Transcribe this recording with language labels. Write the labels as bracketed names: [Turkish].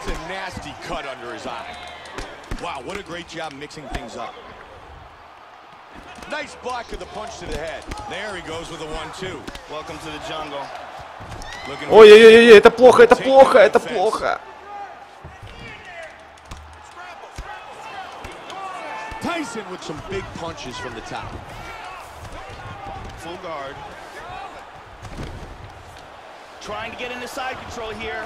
[English] Wow, what a great job mixing things up. Nice block of the punch to the head. There he goes with a 1-2. Welcome to the jungle. [Russian] Ой-ой-ой, это плохо, это плохо, это плохо. [English] Tyson with some big punches from the top. Full guard. Trying to get into side control here.